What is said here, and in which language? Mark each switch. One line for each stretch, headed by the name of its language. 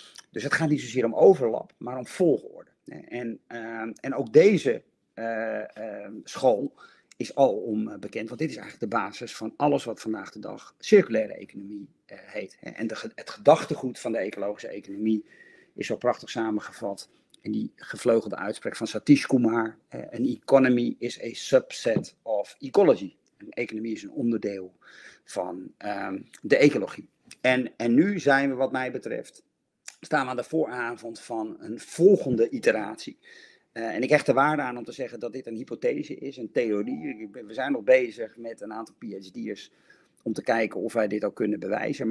Dutch: Dus het gaat niet zozeer om overlap, maar om volgorde. En ook deze school is al om bekend, want dit is eigenlijk de basis van alles wat vandaag de dag circulaire economie heet. En het gedachtegoed van de ecologische economie is zo prachtig samengevat in die gevleugelde uitspraak van Satish Kumar.
English: An economy is a subset of ecology.
Dutch: Een economie is een onderdeel van de ecologie. En nu zijn we, wat mij betreft, staan we aan de vooravond van een volgende iteratie. En ik hecht de waarde aan om te zeggen dat dit een hypothese is, een theorie. We zijn nog bezig met een aantal PhD'ers om te kijken of wij dit al kunnen bewijzen.